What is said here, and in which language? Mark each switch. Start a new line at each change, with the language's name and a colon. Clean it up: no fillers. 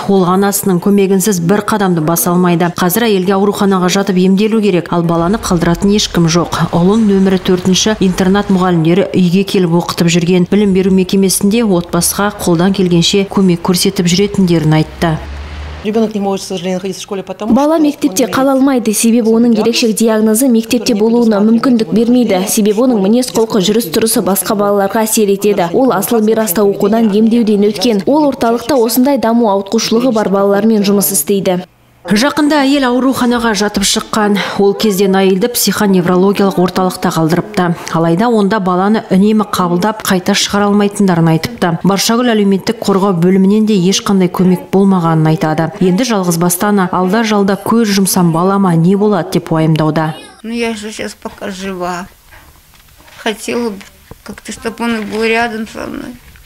Kazakh: Ол анасының көмегінсіз бір қадамды баса алмайды. Қазір әйелге ауруханаға жатып емделу керек, ал баланы қалдыратын ешкім жоқ. Ұлын нөмірі 4-ші интернат мұғалімдері үйге келіп оқытып жүрген. Білім беру мекемесінде отбасыға қолдан келгенше көмек көрсетіп жүретіндерін айтты.
Russian: Ребенок не может, к сожалению, находиться в школе, потому
Kazakh: бала мектепте қала алмайды, себебі оның ерекшек диагнозы мектепте болуына мүмкіндік бермейді. Себебі оның мінез қолқы жүріс тұрысы басқа балаларға әсер етеді. Ол асыл мираста оқудан емдеуден өткен. Ол орталықта осындай даму ауытқушылығы бар балалармен жұмыс істейді. Жақында әйел ауруханаға жатып шыққан. Ол кезде әйелді психоневрологиялық орталықта қалдырыпты. Алайда онда баланы үнемі қабылдап, қайта шығара алмайтындарын айтыпты. Баршагүл әлеуметтік қорғау бөлімінен де ешқандай көмек болмағанын айтады. Енді жалғыз бастана алда жалда көз жұмсам балама не болады деп уайымдауда.
Russian: Ну я же сейчас пока жива. Хотела бы как-то, чтобы он был рядом со мной.